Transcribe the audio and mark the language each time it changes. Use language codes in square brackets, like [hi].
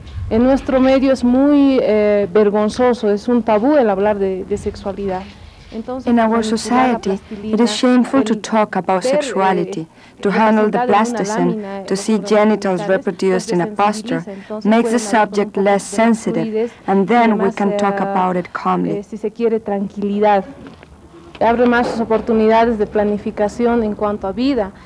[es] En nuestro medio es muy vergonzoso, es un tabú el hablar de sexualidad. [en] In our society, it is shameful to talk about sexuality. To handle the plasticine, to see genitals reproduced in a posture, makes the subject less sensitive, and then we can talk about it calmly. [es] Si se quiere tranquilidad, abre más oportunidades de planificación en cuanto a vida.